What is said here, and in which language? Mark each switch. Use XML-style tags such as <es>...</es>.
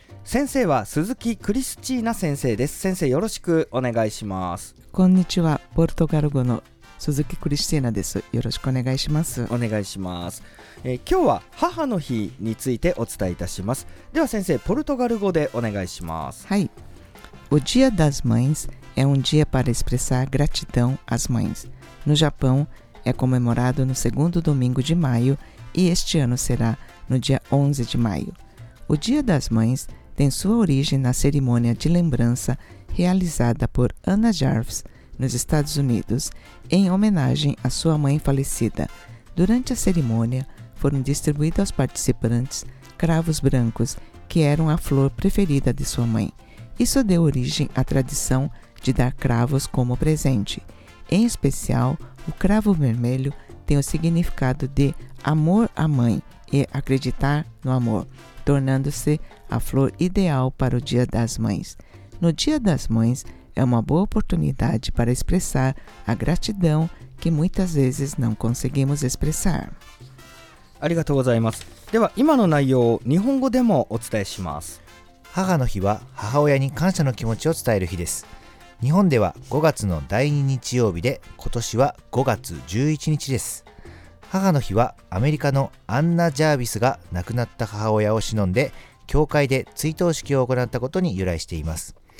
<ja>先生は鈴木クリスチーナ先生です。先生よろしくお願いします。こんにちは、ポルトガル語の鈴木クリスティーナです。よろしくお願いします。お願いします。今日は母の日についてお伝えいたします。では先生、ポルトガル語でお願いします。はい。</ja> <pt>O dia das mães é dia para expressar gratidão às mães. No Japão é comemorado no segundo domingo de maio e este ano será no dia 11 de maio. O dia das mães tem sua origem na cerimônia de lembrança realizada por Anna Jarvis nos Estados Unidos, em homenagem à sua mãe falecida. Durante a cerimônia, foram distribuídos aos participantes cravos brancos, que eram a flor preferida de sua mãe. Isso deu origem à tradição de dar cravos como presente. Em especial, o cravo vermelho tem o significado de amor à mãe e acreditar no amor, tornando-se a flor ideal para o Dia das Mães. No Dia das Mães, é uma boa oportunidade para expressar a gratidão que muitas vezes não conseguimos expressar.</pt> <ja>ありがとうございます。では今の内容を日本語でもお伝えします。母の日は母親に感謝の気持ちを伝える日です。日本では5月の第2日曜日で、今年は5月11日です。母の日はアメリカのアンナ・ジャービスが亡くなった母親を偲んで教会で追悼式を行ったことに由来しています。</ja>